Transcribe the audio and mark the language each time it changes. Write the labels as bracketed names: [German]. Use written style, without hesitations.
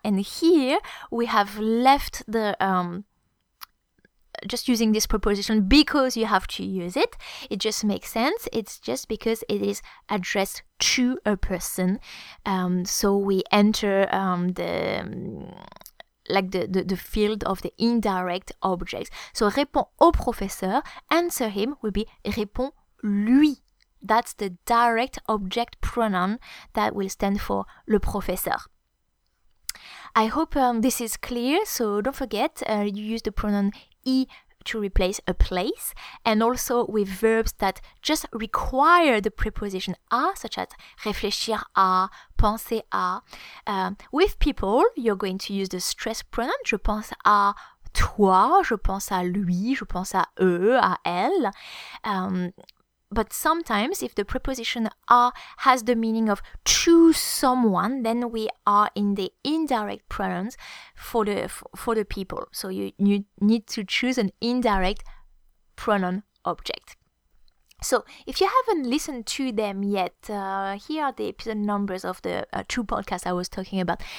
[English] And here we have left the just using this preposition because you have to use it. It just makes sense. It's just because it is addressed to a person. So we enter the field of the indirect objects. So [French] répond au professeur, [English] answer him will be [French] répond lui. [English] That's the direct object pronoun that will stand for [French] le professeur. [English] I hope this is clear. So don't forget, you use the pronoun I to replace a place, and also with verbs that just require the preposition à, such as [French] réfléchir à, penser à. [English] With people, you're going to use the stress pronoun. [French] Je pense à toi, je pense à lui, je pense à eux, à elle. [English] But sometimes, if the preposition à has the meaning of to someone, then we are in the indirect pronouns for the people. So you need to choose an indirect pronoun object. So if you haven't listened to them yet, here are the episode numbers of the two podcasts I was talking about.